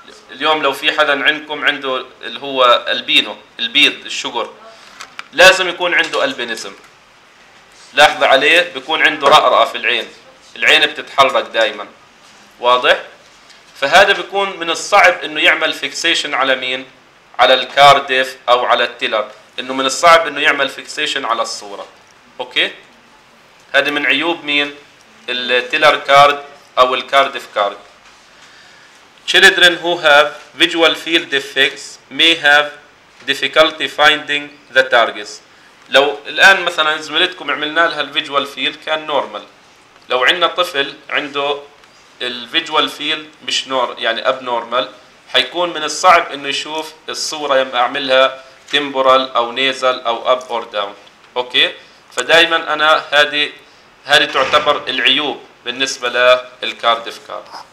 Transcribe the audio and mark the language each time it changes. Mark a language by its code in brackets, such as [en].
[ar] اليوم لو في حدا عندكم عنده اللي هو ألبينو البيض الشجر، لازم يكون عنده ألبينيزم، لاحظ عليه بيكون عنده رقرق في العين، العين بتتحرك دائما، واضح؟ فهذا بيكون من الصعب انه يعمل فيكسيشن على مين؟ على الكارديف او على التيلر، انه من الصعب انه يعمل فيكسيشن على الصوره، اوكي؟ هذه من عيوب مين؟ التيلر كارد او الكارديف كارد. [en] Children who have visual field defects may have difficulty finding the targets. [ar] لو الان مثلا زميلتكم عملنا لها الفيجوال فيلد كان نورمال، لو عندنا طفل عنده الفيجوال فيلد مش نور يعني اب نورمال، حيكون من الصعب انه يشوف الصوره لما اعملها تيمبورال او نيزل او اب اور داون، اوكي؟ فدائما انا هذه تعتبر العيوب بالنسبه للكارديف كارد.